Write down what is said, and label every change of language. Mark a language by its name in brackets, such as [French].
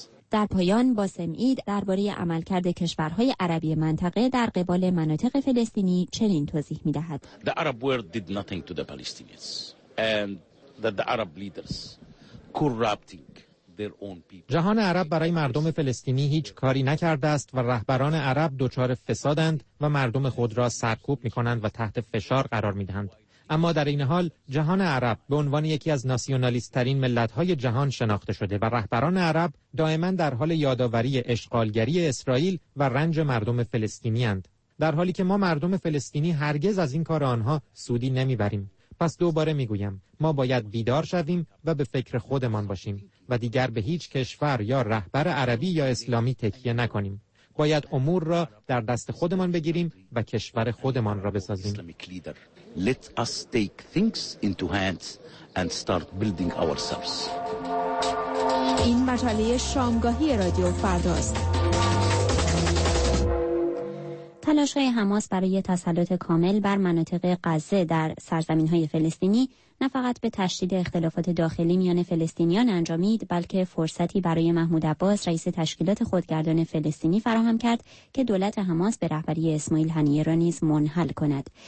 [Persian] در پایان باسم اید درباره عملکرد کشورهای عربی منطقه در قبال مناطق فلسطینی چنین توضیح می‌دهد: [English] The Arab world did nothing to the Palestinians and that the Arab leaders corrupting their own people. [Persian] جهان عرب برای مردم فلسطینی هیچ کاری نکرده است و رهبران عرب دچار فسادند و مردم خود را سرکوب می‌کنند و تحت فشار قرار می‌دهند. اما در این حال جهان عرب به عنوان یکی از ناسیونالیست ترین ملت‌های جهان شناخته شده و رهبران عرب دائما در حال یادآوری اشغالگری اسرائیل و رنج مردم فلسطینی اند، در حالی که ما مردم فلسطینی هرگز از این کار آنها سودی نمیبریم. پس دوباره میگویم ما باید بیدار شویم و به فکر خودمان باشیم و دیگر به هیچ کشور یا رهبر عربی یا اسلامی تکیه نکنیم. باید امور را در دست خودمان بگیریم و کشور خودمان را بسازیم. [English] Let us take things into hands and start building ourselves. [Persian] این مجله شامگاهی رادیو فرداست. تلاش‌های حماس برای تسلط کامل بر مناطق غزه در سرزمین‌های فلسطینی نه فقط به تشدید اختلافات داخلی میان فلسطینیان انجامید، بلکه فرصتی برای محمود عباس رئیس تشکیلات خودگردان فلسطینی فراهم کرد که دولت حماس به رهبری اسماعیل هنیه را نیز منحل کند.